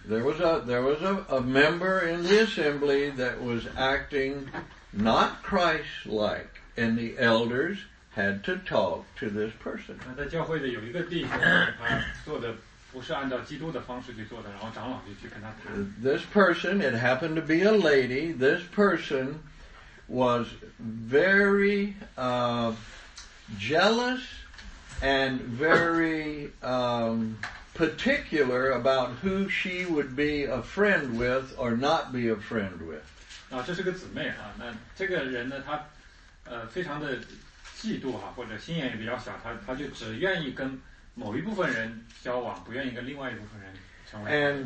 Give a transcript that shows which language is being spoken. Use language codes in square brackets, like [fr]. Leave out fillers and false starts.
[en] There was a member in the assembly that was acting not Christ-like and the elders had to talk to this person. [zh] 在教会的有一个弟兄，做的不是按照基督的方式去做的，然后长老就去跟他谈。 [en] This person, it happened to be a lady. This person was very jealous and very particular about who she would be a friend with or not be a friend with. [zh] 啊，这是个姊妹啊。那这个人呢，他非常的嫉妒啊，或者心眼也比较小，他就只愿意跟某一部分人交往，不愿意跟另外一部分人成为。